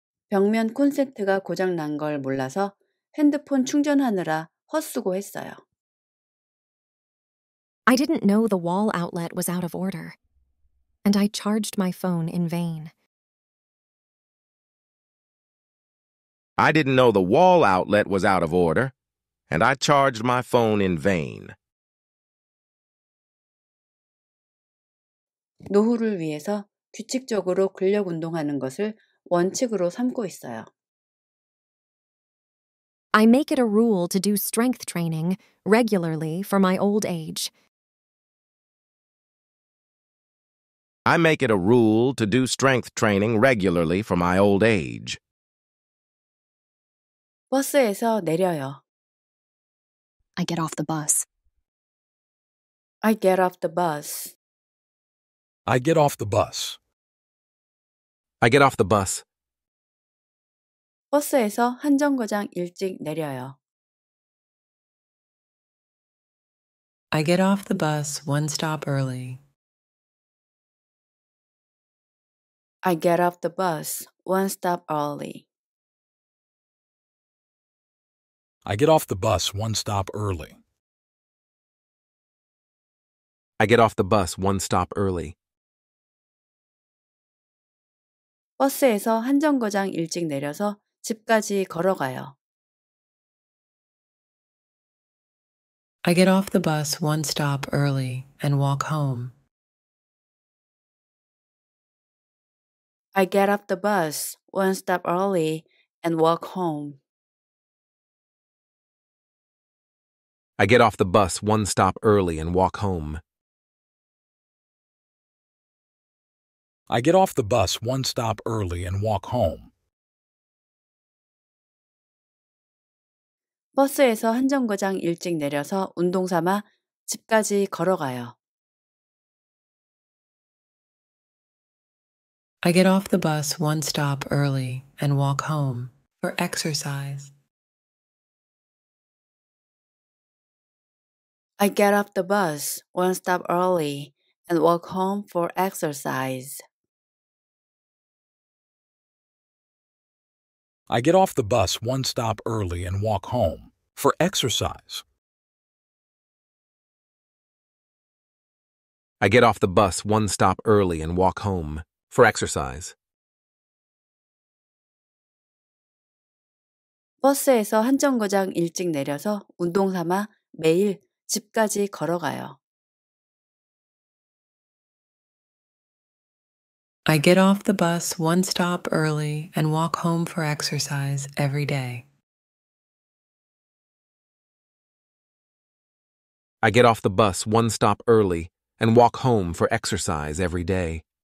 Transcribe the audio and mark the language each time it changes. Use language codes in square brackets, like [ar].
[ko] 벽면 콘센트가 고장 난 걸 몰라서 핸드폰 충전하느라 헛수고 했어요. [en] I didn't know the wall outlet was out of order, and I charged my phone in vain. I didn't know the wall outlet was out of order, and I charged my phone in vain. [ko] 노후를 위해서 규칙적으로 근력 운동하는 것을 원칙으로 삼고 있어요. [en] I make it a rule to do strength training regularly for my old age. I make it a rule to do strength training regularly for my old age. [ko] 버스에서 내려요. [en] I get off the bus. I get off the bus. I get off the bus. I get off the bus. [ko] 버스에서 한 정거장 일찍 내려요. [en] I get off the bus one stop early. I get off the bus one stop early. I get off the bus one stop early. I get off the bus one stop early. [ko] 버스에서 한 정거장 일찍 내려서 집까지 걸어가요. [en] I get off the bus one stop early and walk home. I get off the bus one stop early and walk home. I get off the bus one stop early and walk home. I get off the bus one stop early and walk home. [ko] 버스에서 한 정거장 일찍 내려서 운동 삼아 집까지 걸어가요. [en] I get off the bus one stop early and walk home for exercise. I get off the bus one stop early and walk home for exercise. I get off the bus one stop early and walk home for exercise. I get off the bus one stop early and walk home for exercise. [ko] 버스에서 한 정거장 일찍 내려서 운동 삼아 매일 집까지 걸어가요. [en] I get off the bus one stop early and walk home for exercise every day. I get off the bus one stop early and walk home for exercise every day.